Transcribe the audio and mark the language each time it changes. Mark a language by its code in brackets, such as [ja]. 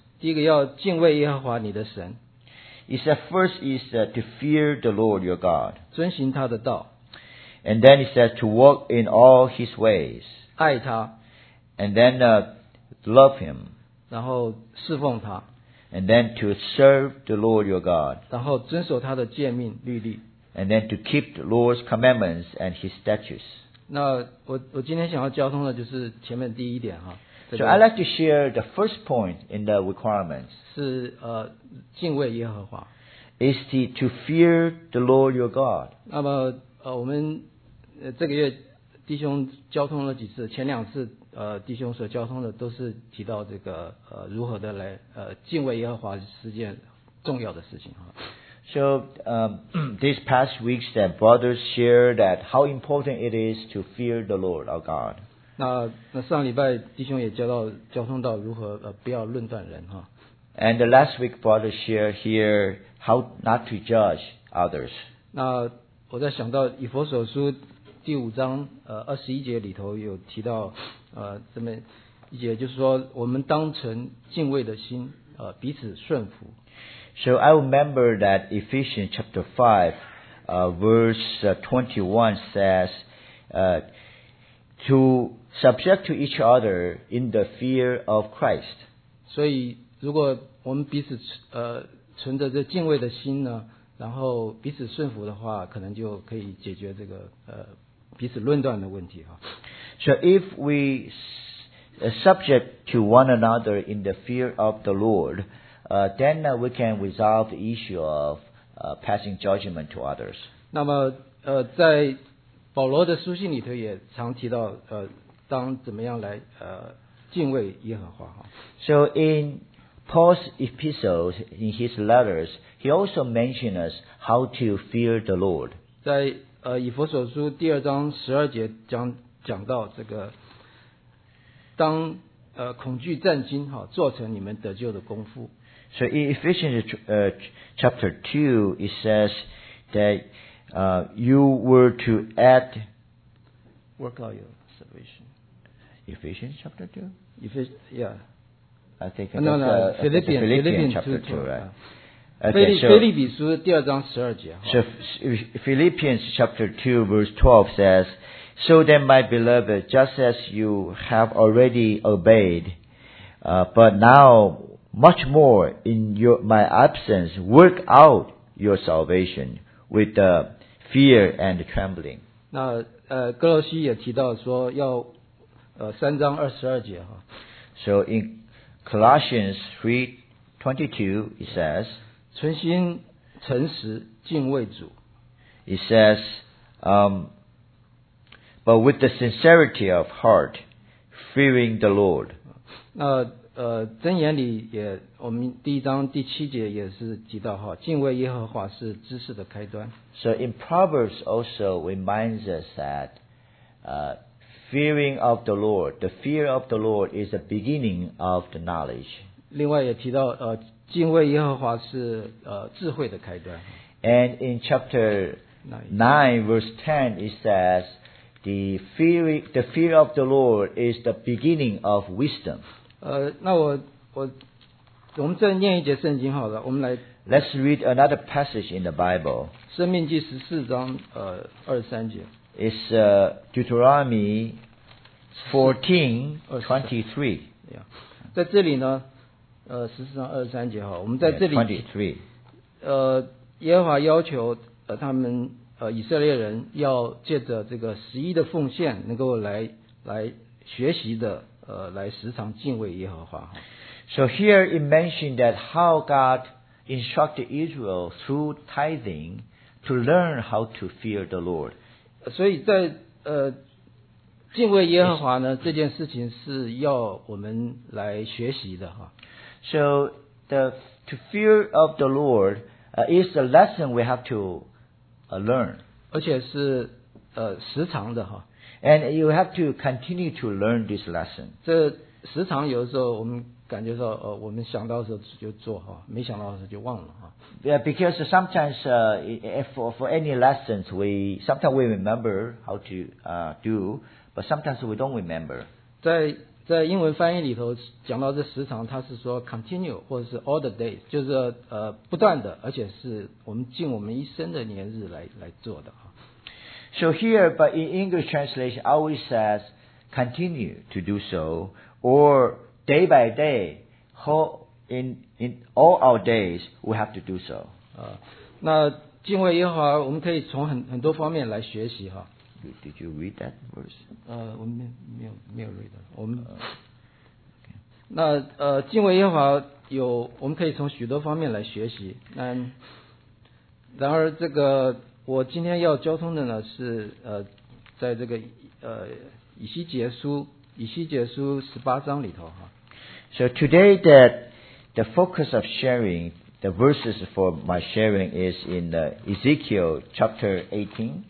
[zh] 第一个要敬畏耶和华你的神。 [en] It said first is to fear the Lord your God. [zh] 遵行他的道。 [en] And then it says to walk in all his ways. [zh] 爱他。 [en] And then love him. [zh] 然后侍奉他。 [en] And then to serve the Lord your God. [zh] 然后遵守他的诫命律例。 [en] And then to keep the Lord's commandments and his statutes. [zh] 那我今天想要交通的就是前面第一点哈。 [en] So I'd like to share the first point in the requirements. [zh] 是敬畏耶和华。 [en] Is to fear the Lord your God. [zh] 那么我们这个月弟兄交通了几次，前两次弟兄所交通的都是提到这个如何的来敬畏耶和华是件重要的事情哈。 [en] So these past weeks that brothers share that how important it is to fear the Lord our God. [zh] 那上礼拜弟兄也交通到如何不要论断人哈。 [en] And the last week brothers share here how not to judge others. [zh] 那我在想到以弗所书第五章二十一节里头有提到。这么一节就是说我们当成敬畏的心彼此顺服。 [en] So I remember that Ephesians chapter 5, verse 21 says, to subject to each other in the fear of Christ. [zh] 所以如果我们彼此存着这敬畏的心呢，然后彼此顺服的话，可能就可以解决这个彼此论断的问题哈。 [en] So if we subject to one another in the fear of the Lord, then we can resolve the issue of passing judgment to others. [zh] 那么在保罗的书信里头也常提到当怎么样来敬畏耶和华。 [en] So in Paul's epistles, in his letters, he also mentioned us how to fear the Lord. [zh] 在以弗所书第二章十二节讲到这个当恐惧战惊哈，做成你们得救的功夫。 [en] So in Ephesians chapter 2 it says that you were to add work out your salvation. Ephesians chapter 2? Yeah. I think no, that's no, Philippians Philippian chapter 2, right? Philippians chapter 2 verse 12 says, "So then, my beloved, just as you have already obeyed, but now much more in my absence, work out your salvation with fear and trembling." [zh] 那哥罗西也提到说要三章二十二节哈。 [en] So in Colossians 3:22, it says. [zh] 存心诚实敬畏主。 [en] It says, but with the sincerity of heart, fearing the Lord. [zh] 那箴言里也，我们第一章第七节也是提到哈，敬畏耶和华是知识的开端。 [en] So in Proverbs also reminds us that, fearing of the Lord, the fear of the Lord is the beginning of the knowledge. [zh] 另外也提到敬畏耶和华是智慧的开端。 [en] And in chapter 9 verse 10 it says, the fear of the Lord is the beginning of wisdom. [zh] 那我们再念一节圣经好了，我们来。 [en] Let's read another passage in the Bible. [zh] 生命记十四章二十三节。 [en] It's Deuteronomy 14:23. [zh] Yeah. 在这里呢。十四章二十三节哈，我们在这里， [en] yeah, [zh] 耶和华要求他们以色列人要借着这个十一的奉献，能够来学习的来时常敬畏耶和华。 [en] So here it mentioned that how God instructed Israel through tithing to learn how to fear the Lord。 [zh] 所以在敬畏耶和华呢这件事情是要我们来学习的哈。 [en] So to fear of the Lord is a lesson we have to learn. [zh] 而且是时常的哈。 [en] And you have to continue to learn this lesson. [zh] 这时常有的时候我们感觉到我们想到的时候就做哈，没想到的时候就忘了哈。 [en] Yeah, because sometimes for any lessons sometimes we remember how to do, but sometimes we don't remember. [zh] 在英文翻译里头讲到这时常，它是说 continue 或者是 [en] all the days， [zh] 就是不断的，而且是我们尽我们一生的年日来做的啊。 [en] So here, but in English translation, always says continue to do so, or day by day, in all our days, we have to do so. [zh] 那敬畏耶和华，我们可以从很多方面来学习哈。 [en] Did you read that verse? [zh] 我没有 read 的。我们、okay. 那敬畏耶和华有，我们可以从许多方面来学习。然而这个我今天要交通的呢是在这个以西结书十八章里头哈。 [en] So today that the focus of sharing the verses for my sharing is in the Ezekiel chapter 18.